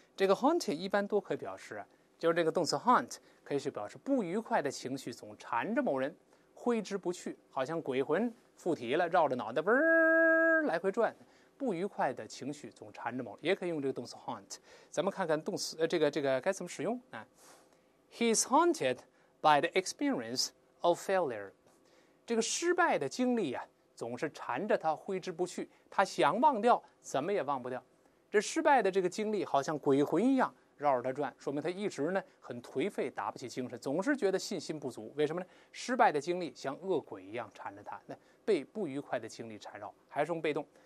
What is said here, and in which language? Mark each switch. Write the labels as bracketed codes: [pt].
[zh] 这个 haunted 一般都可以表示，就是这个动词 haunt 可以去表示不愉快的情绪总缠着某人挥之不去，好像鬼魂附体了，绕着脑袋来回转，不愉快的情绪总缠着某人，也可以用这个动词 haunt。咱们看看动词这个该怎么使用啊。 [en] He is haunted by the experience of failure. [zh] 这个失败的经历啊，总是缠着他挥之不去，他想忘掉怎么也忘不掉。这失败的这个经历好像鬼魂一样绕着他转，说明他一直呢很颓废，打不起精神，总是觉得信心不足。为什么呢？失败的经历像恶鬼一样缠着他，那被不愉快的经历缠绕，还是用被动。